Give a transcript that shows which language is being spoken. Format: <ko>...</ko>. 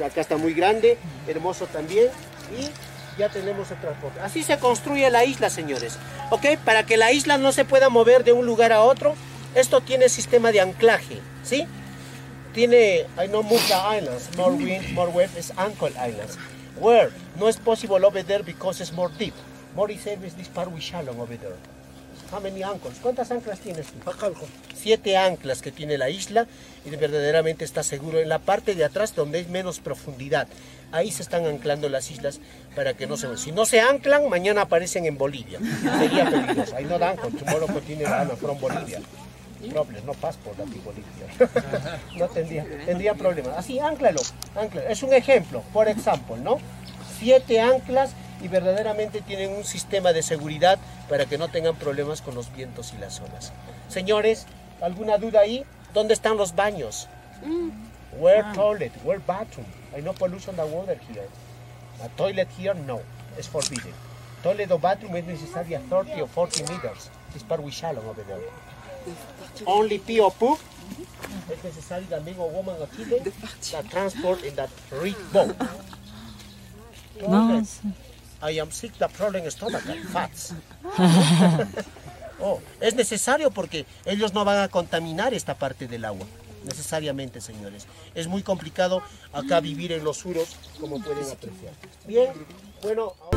<es>Acá está muy grande, hermoso también. Y ya tenemos el transporte. Así se construye la isla, señores. ¿Ok? Para que la isla no se pueda mover de un lugar a otro, esto tiene sistema de anclaje. ¿Sí? Tiene...</es> <en>I know Muka Islands. More wind, more wave is Anchor Islands. Where?</en> <es>No es posible</es> <en>over there because it's more deep. More is this part we shallow over there.</en> <es>¿Cuántas anclas tienes tú?</es> <ay>Pacalco.</ay> <es>7 anclas que tiene la isla y verdaderamente está seguro en la parte de atrás donde hay menos profundidad. Ahí se están anclando las islas para que no se... Si no se anclan, mañana aparecen en Bolivia. Sería peligroso. Ahí no dan con Chumoloco, tiene la from Bolivia. Problemas, no pasaporte aquí Bolivia. No tendría, tendría problemas. Así, ánclalo, ánclalo. Es un ejemplo, por ejemplo, ¿no? 7 anclas y verdaderamente tienen un sistema de seguridad para que no tengan problemas con los vientos y las olas. Señores, ¿alguna duda ahí? ¿Dónde están los baños?</es> <en>Where toilet, where bathroom? I no pollution the water here. A toilet here, no, it's forbidden. Toilet or bathroom is necessary 30 or 40 meters. This part we shallow over there. Only pee or poop. It's necessary that men or women or children that transport in that rig boat. Toilet. I am sick, the problem is stomach and fats.</en> <es>Oh, es necesario porque ellos no van a contaminar esta parte del agua. Necesariamente, señores. Es muy complicado acá vivir en los suros, como pueden apreciar. Bien, bueno.</es>